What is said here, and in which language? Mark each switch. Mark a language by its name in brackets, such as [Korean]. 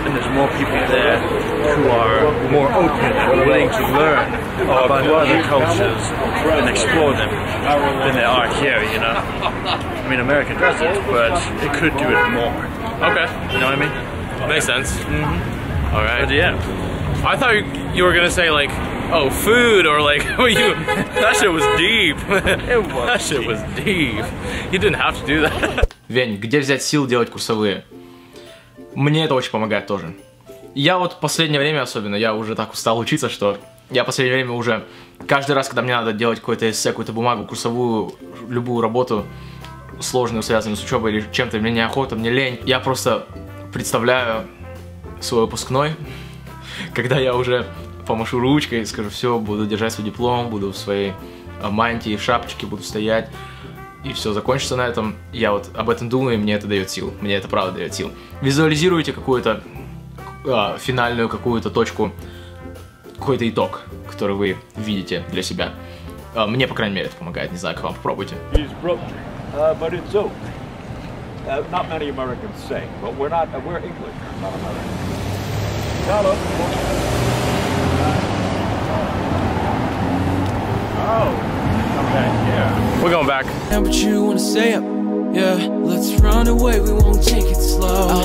[English] And there's more people there who are more open and willing to learn about other cultures and explore them than there are here, you know? I mean, America does it, but it could do it more. Okay. You know what I mean? Makes sense. Mm-hmm. All right. But yeah. I thought you were gonna say like, oh, food, or like, you, that shit was deep. It was that shit deep. Was deep. You didn't have to do that. [Russian] Вень, где взять сил делать курсовые? Мне это очень помогает тоже. Я вот в последнее время особенно, я уже так устал учиться, что я в последнее время уже каждый раз, когда мне надо делать какое-то эссе, какую-то бумагу, курсовую, любую работу, сложную, связанную с учебой или чем-то, мне неохота, мне лень, я просто представляю свой выпускной, когда я уже помашу ручкой и скажу, все, буду держать свой диплом, буду в своей мантии, в шапочке буду стоять. И все закончится на этом. Я вот об этом думаю, и мне это дает сил. Мне это правда дает сил. Визуализируйте какую-то финальную какую-то точку, какой-то итог, который вы видите для себя. Мне, по крайней мере, это помогает. Не знаю, как вам. Попробуйте. [English] He's broken, but it's open. Not many Americans say, but we're not, we're English, not American. Hello. Oh. We're going back. Yeah, but you wanna stay up. Yeah, let's run away, we won't take it slow.